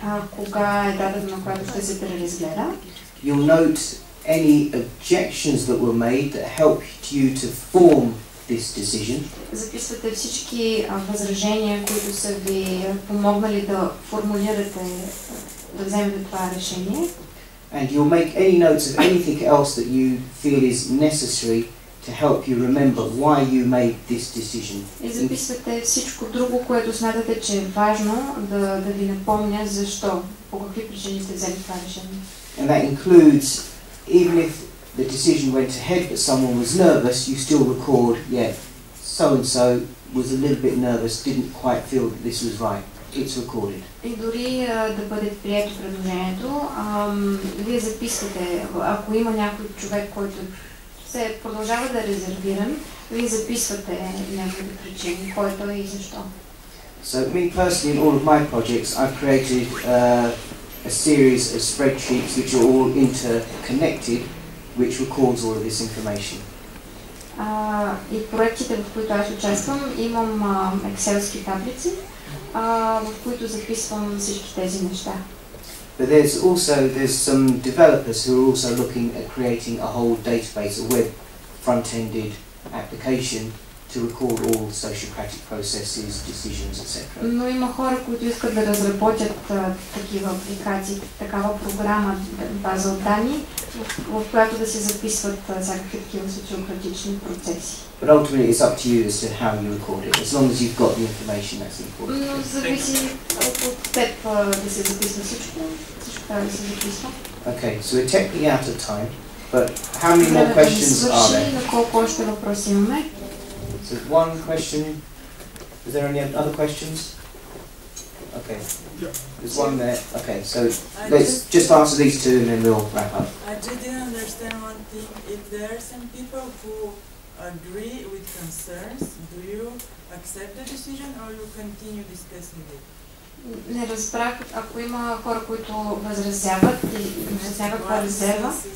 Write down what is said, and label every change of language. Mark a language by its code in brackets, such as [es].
[bg] Кога е дадено, на която ще се преразгледа? [en] You'll note any objections that were made that helped you to form this decision. [bg] Записвате всички възражения, които са ви помогнали да формулирате, да вземете това решение. [en] And you'll make any notes of anything else that you feel is necessary to help you remember why you made this decision. [bg] И записвате всичко друго, което смятате, че е важно да ви напомня защо, по какви причини сте взели това решение. [en] And that includes, even if the decision went ahead but someone was nervous, you still record, yeah, so-and-so was a little bit nervous, didn't quite feel that this was right. It's recorded. [bg] И дори да бъде прието предложението, вие записвате, ако има някой човек, който се продължава да е резервиран, вие записвате някакви причини, кой е той и защо. [en] So, me personally, in all of my projects, I've created a series of spreadsheets which are all interconnected, which records all of this information. [bg] И проектите, в които аз участвам, имам екселски таблици, в които записвам всички тези неща. [en] But there's some developers who are also looking at creating a whole database, a web front-ended application to record all sociocratic processes, decisions, etc. [bg] Но има хора, които искат да разработят такива апликации, такава програма, база от данни, в която да се записват всякакви такива социократични процеси. [en] But ultimately it's up to you as to how you record it. As long as you've got the information, that's important. [bg] Но зависи от теб да се записва всичко, всичко трябва да се записва. [en] Okay, so we're technically out of time, but how many more questions are there? [bg] На колко още въпроси имаме? [en] So one question. Is there any other questions? Okay. Yeah. There's one there. Okay, so let's just answer these two and then we'll wrap up. I just didn't understand one thing. If there are some people who agree with concerns, do you accept the decision or you continue discussing it? [bg] Не разбрах, ако има хора, които възразяват и възразяват това резерва.